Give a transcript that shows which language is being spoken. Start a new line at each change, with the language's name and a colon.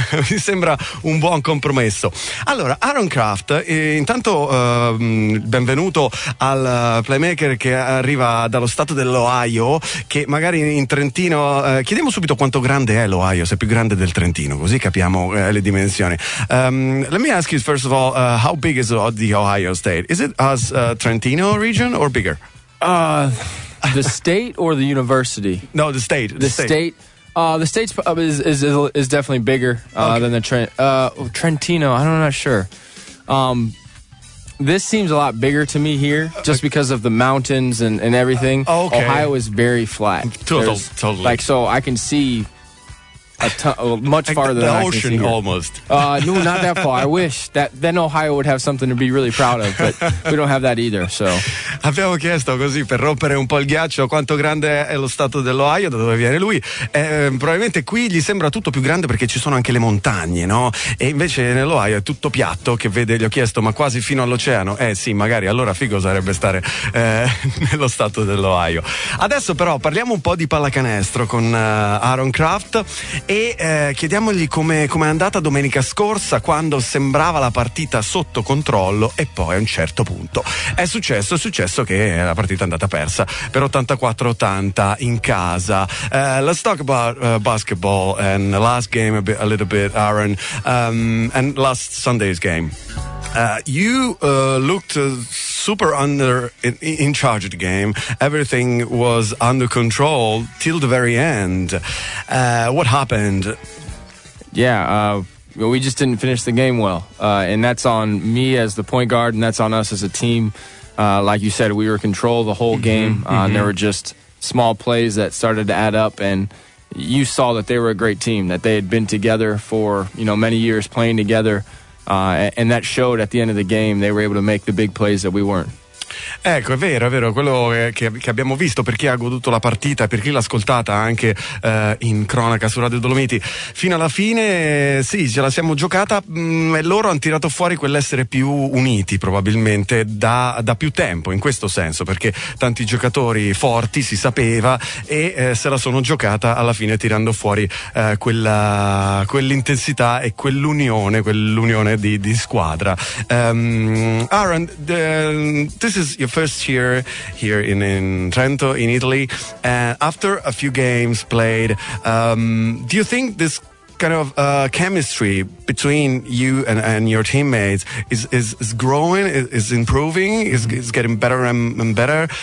Italian: Mi sembra un buon compromesso. Allora, Aaron Kraft, intanto benvenuto al playmaker che arriva dallo stato dell'Ohio, che magari in Trentino, chiediamo subito quanto grande è l'Ohio, se è più grande del Trentino, così capiamo le dimensioni.
English: Let me ask you first of all, how big is the Ohio state? Is it as Trentino region or bigger? The state or the university? No, the state. The state. The state is definitely bigger than the Trentino. I'm not sure. This seems a lot bigger to me here, just because of the mountains and everything. Okay. Ohio is very flat. Totally. Like, so I can see much farther than I can see here. The ocean, almost. No, not that far. I wish that then Ohio would have something to be really proud of, but we don't have that either, so.
Italian: Abbiamo chiesto così, per rompere un po' il ghiaccio, quanto grande è lo stato dell'Ohio, da dove viene lui. Probabilmente qui gli sembra tutto più grande perché ci sono anche le montagne, no? E invece nell'Ohio è tutto piatto, che vede, gli ho chiesto, ma quasi fino all'oceano. Sì, magari, allora figo sarebbe stare nello stato dell'Ohio. Adesso però parliamo un po' di pallacanestro con Aaron Kraft. E chiediamogli come è andata domenica scorsa, quando sembrava la partita sotto controllo e poi a un certo punto è successo che la partita è andata persa per 84-80 in casa.
English: Let's talk about basketball and the last game a little bit, Aaron, and last Sunday's game. You looked super in charge of the game. Everything was under control till the very end. What happened? Yeah, we just didn't finish the game well. And that's on me as the point guard, and that's on us as a team. Like you said, we were in control the whole game. There were just small plays that started to add up, and you saw that they were a great team, that they had been together for, you know, many years playing together. And that showed at the end of the game, they were able to make the big plays that we weren't.
Italian: Ecco, è vero, quello che abbiamo visto, per chi ha goduto la partita, per chi l'ha ascoltata anche in cronaca su Radio Dolomiti, fino alla fine sì, ce la siamo giocata, e loro hanno tirato fuori quell'essere più uniti probabilmente da più tempo, in questo senso, perché tanti giocatori forti si sapeva, e se la sono giocata alla fine tirando fuori quell'intensità e quell'unione di squadra.
English: Aaron, this is your first year here in Trento, in Italy, and after a few games played, do you think this kind of chemistry between you and your teammates is growing, is improving, is getting better and better?